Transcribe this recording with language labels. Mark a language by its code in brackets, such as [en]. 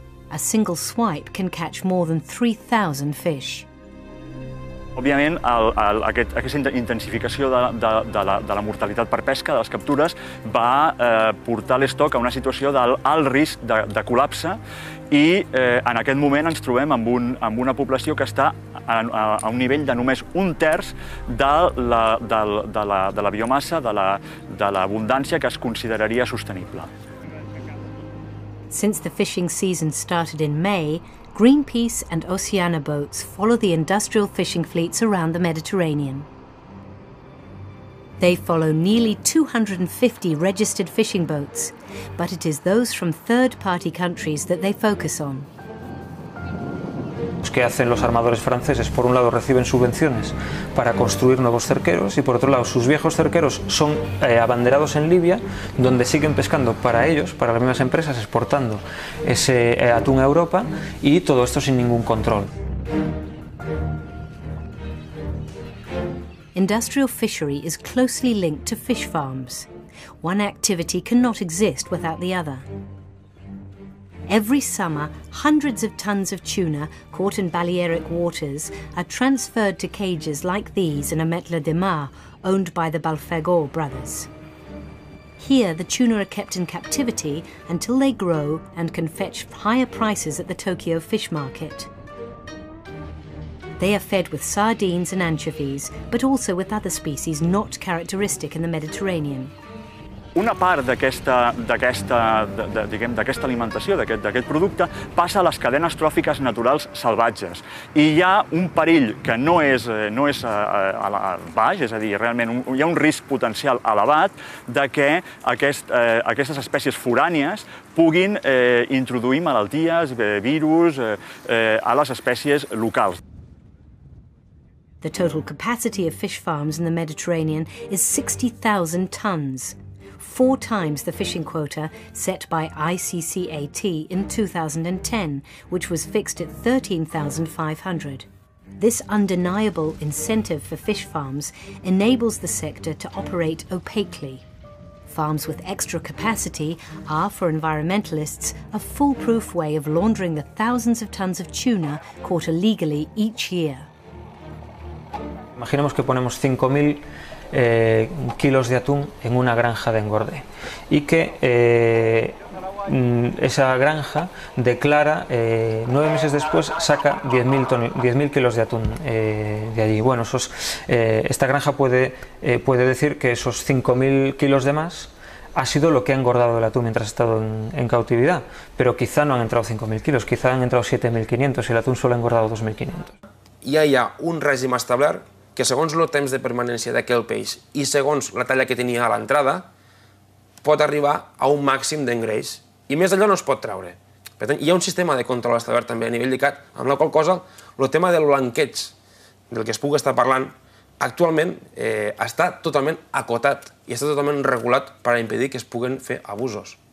[en] A single swipe can catch more than 3,000 fish. [ca] Òbviament, aquesta intensificació de la mortalitat per pesca, de les captures, va portar l'estoc a una situació d'alt risc de col·lapse i en aquest moment ens trobem amb una població que està a un nivell de només un terç de la biomassa, de l'abundància que es consideraria sostenible. [en] Since the fishing season started in May, Greenpeace and Oceana boats follow the industrial fishing fleets around the Mediterranean. They follow nearly 250 registered fishing boats, but it is those from third-party countries that they focus on. [es] ¿Qué hacen los armadores franceses? Por un lado reciben subvenciones para construir nuevos cerqueros y por otro lado sus viejos cerqueros son abanderados en Libia, donde siguen pescando para ellos, para las mismas empresas, exportando ese atún a Europa y todo esto sin ningún control. [en] Industrial fishery is closely linked to fish farms. One activity cannot exist without the other. Every summer, hundreds of tons of tuna caught in Balearic waters are transferred to cages like these in Ametla de Mar, owned by the Balfegor brothers. Here, the tuna are kept in captivity until they grow and can fetch higher prices at the Tokyo fish market. They are fed with sardines and anchovies, but also with other species not characteristic in the Mediterranean. [ca] Una part d'aquesta alimentació, d'aquest producte, passa a les cadenes tròfiques naturals salvatges. I hi ha un perill que no és a baix, és a dir, realment hi ha un risc potencial elevat de que aquestes espècies forànies puguin introduir malalties, virus, a les espècies locals. [en] The total capacity of fish farms in the Mediterranean is 60,000 tons. 4 times the fishing quota set by ICCAT in 2010, which was fixed at 13,500. This undeniable incentive for fish farms enables the sector to operate opaquely. Farms with extra capacity are, for environmentalists, a foolproof way of laundering the thousands of tons of tuna caught illegally each year. [es] Imaginemos que ponemos 5,000 kilos de atún en una granja de engorde y que esa granja declara 9 meses después saca 10,000 kilos de atún de allí. Bueno, esta granja puede decir que esos 5,000 kilos de más ha sido lo que ha engordado el atún mientras ha estado en cautividad, pero quizá no han entrado 5,000 kilos, quizá han entrado 7,500 y el atún solo ha engordado 2,500. Y hay un régimen establecido que [ca] segons el temps de permanència d'aquell peix i segons la talla que tenia a l'entrada, pot arribar a un màxim d'engreix. I més d'allò no es pot treure. Per tant, hi ha un sistema de control establert també a nivell d'ICAT, amb la qual cosa el tema del blanqueig del que es pugui estar parlant actualment està totalment acotat i està totalment regulat per a impedir que es puguin fer abusos.